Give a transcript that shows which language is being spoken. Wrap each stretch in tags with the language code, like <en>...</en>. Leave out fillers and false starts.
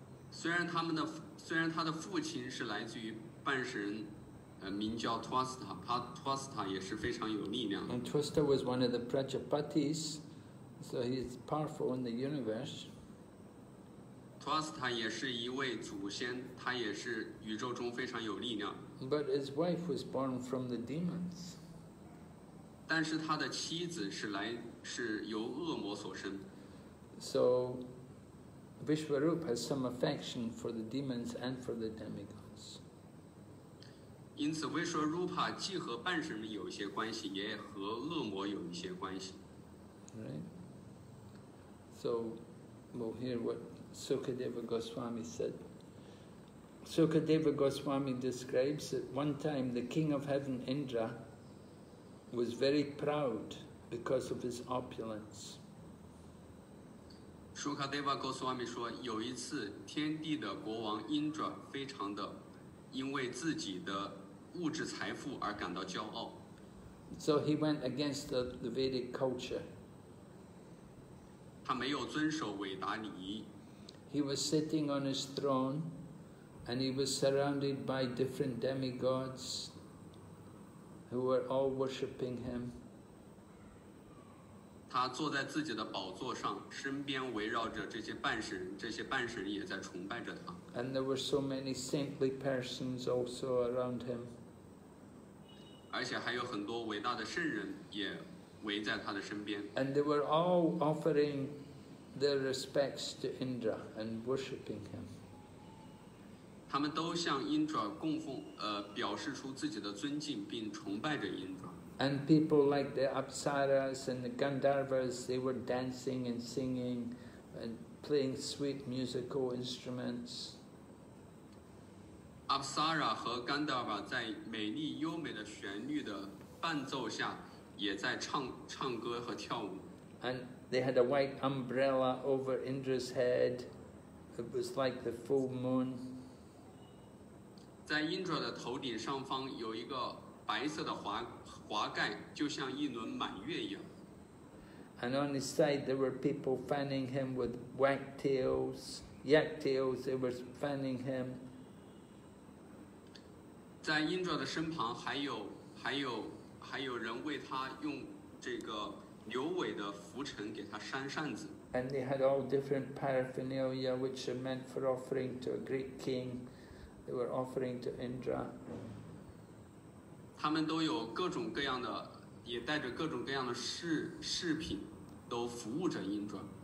<zh>虽然他的父亲是来自于半神，名叫 Twista， 他 Twista 也是非常有力量的。</zh> <en>And Twista was one of the Prajapatis, so he is powerful in the universe.</en> <zh>Twista 也是一位祖先，他也是宇宙中非常有力量。</zh> <en>But his wife was born from the demons.</en> <zh>但是他的妻子是由恶魔所生。</zh> <en>So Vishwarupa has some affection for the demons and for the demigods.</en> <zh>因此 Vishwarupa 既和半神们有一些关系，也和恶魔有一些关系。</zh> <en>Right. So we'll hear what. Sukadeva Goswami said. Sukadeva Goswami describes that one time the king of heaven Indra was very proud because of his opulence.</en> <zh>Sukadeva Goswami 说，有一次天帝的国王 Indra 非常的因为自己的物质财富而感到骄傲。</zh> <en>So he went against the Vedic culture.</en> <zh>他没有遵守韦达礼仪。</zh> <en>He was sitting on his throne, and he was surrounded by different demigods who were all worshipping him.</en> <zh>他坐在自己的宝座上，身边围绕着这些半神，这些半神也在崇拜着他。</zh> <en>And there were so many saintly persons also around him.</en> <zh>而且还有很多伟大的圣人也围在他的身边。</zh> <en>And they were all offering. Their respects to Indra and worshipping him.</en> <zh>他们都向 Indra 供奉，表示出自己的尊敬并崇拜着 Indra.</zh> <en>And people like the Apsaras and the Gandharvas, they were dancing and singing and playing sweet musical instruments.</en> <zh>Apsara 和 Gandharva 在美丽优美的旋律的伴奏下，也在唱歌和跳舞。</zh> <en>And they had a white umbrella over Indra's head. It was like the full moon.</en> <zh>在 Indra 的头顶上方有一个白色的华盖，就像一轮满月一样。</zh> <en>And on his side, there were people fanning him with yak tails. They were fanning him.</en> <zh>在 Indra 的身旁还有人为他用这个。牛尾的浮尘给他扇扇子。</zh> <en>And they had all different paraphernalia which are meant for offering to a great king. They were offering to Indra.</en> <zh>他们都有各种各样的，也带着各种各样的饰品，都服务着 Indra。</zh>